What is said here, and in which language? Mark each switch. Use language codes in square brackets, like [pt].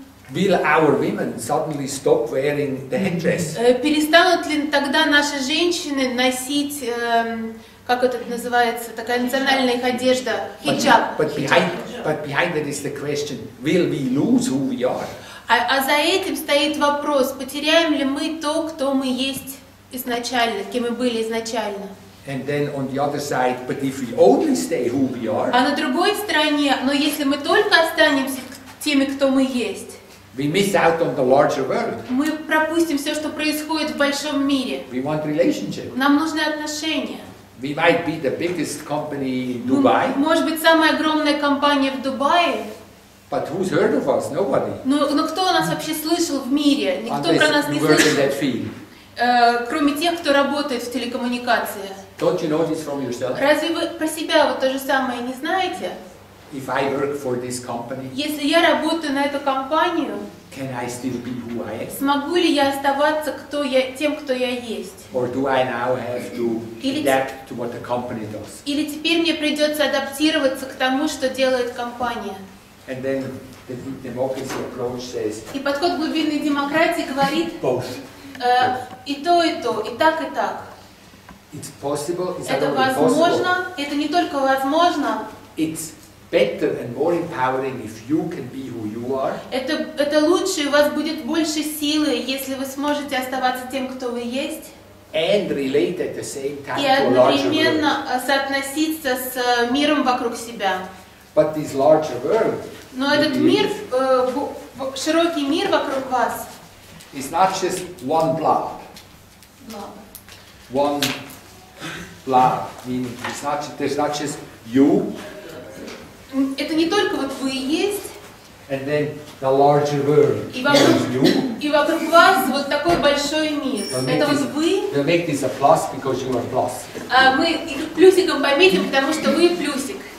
[en] Will our women suddenly stop wearing the headdress? [ru] Перестанут ли тогда наши женщины носить, как это называется, такая национальная их одежда, хиджаб? [en] But behind that is the question, will we lose who we are? [ru] А за этим стоит вопрос, потеряем ли мы то, кто мы есть изначально, кем мы были изначально? [en] And then on the other side, but if we only stay who we are. [ru] А на другой стороне, но если мы только останемся теми, кто мы есть. [en] We miss out on the larger world. [ru] Мы пропустим все, что происходит в большом мире. [en] We want relationship. [ru] Нам нужны отношения. [en] We might be the biggest company in Dubai. [ru] Может быть, самая огромная компания в Дубае. [en] But who's heard of us? Nobody. [ru] Но кто о нас вообще слышал в мире? Никто про нас не слышал. Кроме тех, кто работает в телекоммуникациях. [en] Don't you know this from yourself? [ru] Разве вы про себя вот то же самое не знаете? [en] If I work for this company, [ru] если я работаю на эту компанию, [en] can I still be who I am? [ru] Смогу ли я оставаться кто я, тем, кто я есть? [en] Or do I now have to adapt to what the company does? [ru] Или теперь мне придется адаптироваться к тому, что делает компания? [en] And then the deep democracy approach says, [ru] и подход глубинной демократии говорит, [en] both. [ru] И то, и то, и так, и так. [en] It's possible, it's [ru] это возможно, [en] possible. [ru] Это не только возможно, [en] it's better and more empowering if you can be who you are. [ru] Это лучше, у вас будет больше силы, если вы сможете оставаться тем, кто вы есть. [en] And relate at the same time to a larger world. [ru] И одновременно соотноситься с миром вокруг себя. [en] But this larger world. [ru] Но этот мир, широкий мир вокруг вас. [en] It's not just one blob. One blob meaning it's not just, there's not just you. [ru] Это не только вот вы и есть. [en] And then the larger world. [ru] И вокруг, [en] you. [ru] И вокруг вас вот такой большой мир. Это [en] this, [ru] вот вы. [en] We'll make this a plus because you are plus. [ru] Мы их плюсиком пометим, потому что вы плюсик.